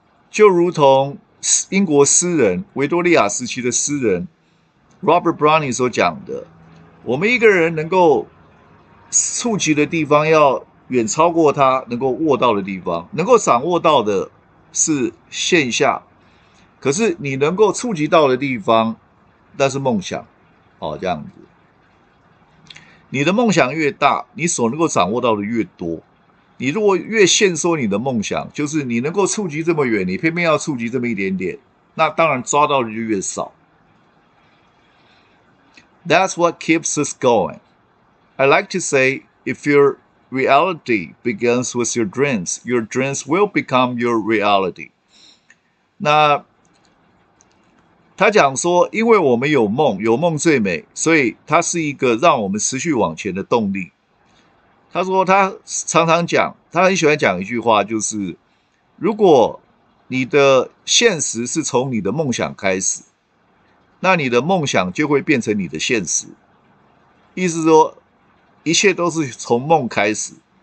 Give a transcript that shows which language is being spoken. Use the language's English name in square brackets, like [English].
[Chinese] 就如同英国诗人维多利亚时期的诗人 Robert Browning 所讲的，我们一个人能够触及的地方要远超过他能够握到的地方，能够掌握到的是线下，可是你能够触及到的地方那是梦想这样子。你的梦想越大，你所能够掌握到的越多。你如果越限缩你的梦想，就是你能够触及这么远，你偏偏要触及这么一点点，那当然抓到的就越少。 [English] That's what keeps us going. I like to say, if your reality begins with your dreams will become your reality. [Chinese] 那他讲说因为我们有梦，有梦最美，所以它是一个让我们持续往前的动力。他说他常常讲，他很喜欢讲一句话，就是如果你的现实是从你的梦想开始，那你的梦想就会变成你的现实。意思说一切都是从梦开始，